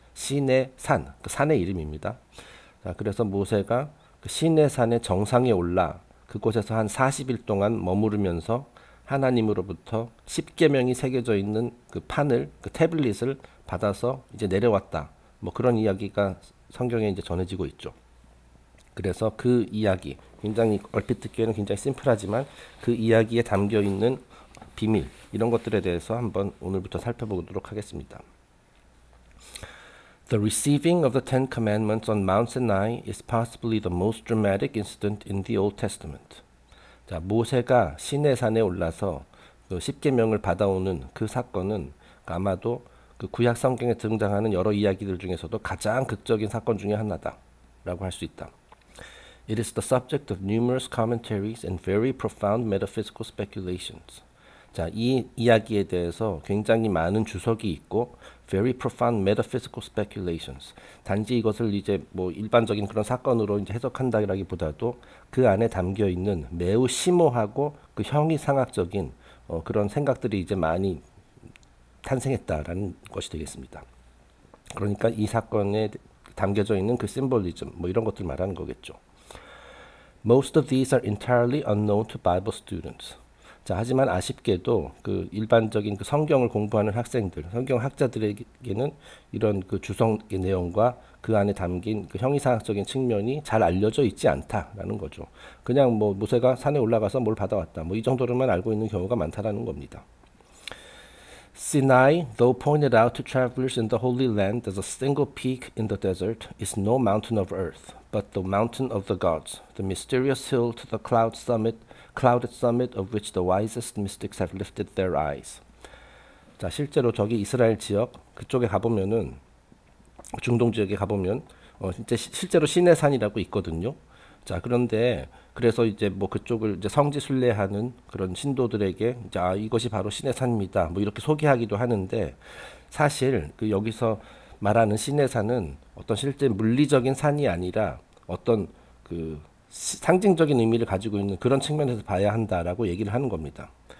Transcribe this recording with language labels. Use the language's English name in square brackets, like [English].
[Korean] 시내 산, 그 산의 이름입니다. 자, 그래서 모세가 그 시내 산의 정상에 올라 그곳에서 한 40일 동안 머무르면서 하나님으로부터 십계명이 새겨져 있는 그 판을, 그 태블릿을 받아서 이제 내려왔다. 뭐 그런 이야기가 성경에 이제 전해지고 있죠. 그래서 그 이야기, 굉장히 얼핏 듣기에는 굉장히 심플하지만 그 이야기에 담겨 있는 비밀, 이런 것들에 대해서 한번 오늘부터 살펴보도록 하겠습니다. [English] The receiving of the Ten Commandments on Mount Sinai is possibly the most dramatic incident in the Old Testament. [Korean] 자, 모세가 시내 산에 올라서 그 십계명을 받아오는 그 사건은 아마도 그 구약 성경에 등장하는 여러 이야기들 중에서도 가장 극적인 사건 중에 하나다라고 할수 있다. [English] It is the subject of numerous commentaries and very profound metaphysical speculations. [Korean] 자, 이 이야기에 대해서 굉장히 많은 주석이 있고 [English] very profound metaphysical speculations. [Korean] 단지 이것을 이제 뭐 일반적인 그런 사건으로 이제 해석한다기보다도 그 안에 담겨 있는 매우 심오하고 그 형이상학적인 그런 생각들이 이제 많이 탄생했다라는 것이 되겠습니다. 그러니까 이 사건에 담겨져 있는 그 심볼리즘, 뭐 이런 것들 말하는 거겠죠. [English] Most of these are entirely unknown to Bible students. [Korean] 자, 하지만 아쉽게도 그 일반적인 그 성경을 공부하는 학생들, 성경학자들에게는 이런 그 주석의 내용과 그 안에 담긴 그 형이상학적인 측면이 잘 알려져 있지 않다라는 거죠. 그냥 뭐 모세가 산에 올라가서 뭘 받아왔다, 뭐이 정도로만 알고 있는 경우가 많다라는 겁니다. [English] Sinai, though pointed out to travelers in the Holy Land as a single peak in the desert, is no mountain of earth, but the mountain of the gods, the mysterious hill to the clouded summit of which the wisest mystics have lifted their eyes. [Korean] 자, 실제로 저기 이스라엘 지역 그쪽에 가보면은 중동 지역에 가보면 실제로 시내 산이라고 있거든요. 자, 그런데 그래서 이제 뭐 그쪽을 이제 성지 순례하는 그런 신도들에게 이제 아, 이것이 바로 시내 산입니다. 뭐 이렇게 소개하기도 하는데 사실 그 여기서 말하는 시내 산은 어떤 실제 물리적인 산이 아니라 어떤 그 상징적인 의미를 가지고 있는 그런 측면에서 봐야 한다라고 얘기를 하는 겁니다.